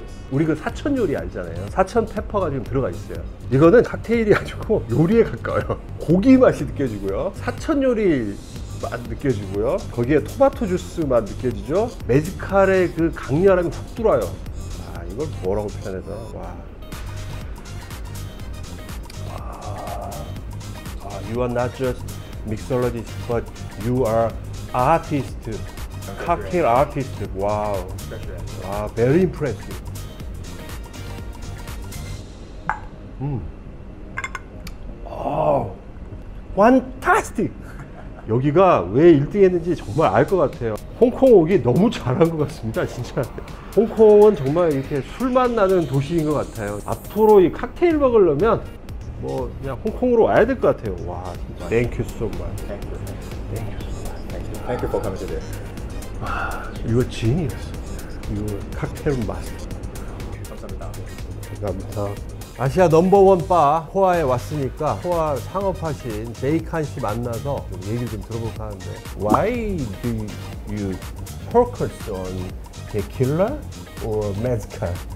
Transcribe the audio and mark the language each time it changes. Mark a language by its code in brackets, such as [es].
[ko] 우리 그 사천 요리 알잖아요. 사천 페퍼가 지금 들어가 있어요. 이거는 칵테일이 아니고 요리에 가까워요. 고기 맛이 느껴지고요. 사천 요리 맛 느껴지고요. 거기에 토마토 주스 맛 느껴지죠. 메지칼의 그 강렬함이 훅 들어와요. 아 이걸 뭐라고 표현해서. 와. 와. [en] You are not just mixologist, but you are artist. Cocktail artist. Wow. Wow. Very impressive. 판타스틱! [ko] 여기가 왜 1등 했는지 정말 알 것 같아요. 홍콩 오기 너무 잘한 것 같습니다, 진짜. 홍콩은 정말 이렇게 술맛 나는 도시인 것 같아요. 앞으로 이 칵테일 먹으려면 뭐 그냥 홍콩으로 와야 될 것 같아요. 와, 진짜. [en] Thank you so much. Thank you. Thank you for coming today. 와, you're a genius. You're a cocktail master. [ko] 감사합니다. 감사합니다. 아시아 넘버원 바 포아에 왔으니까 포아 창업하신 제이칸 씨 만나서 좀 얘기를 좀 들어볼까 하는데 [en] Why do you focus on tequila or mezcal?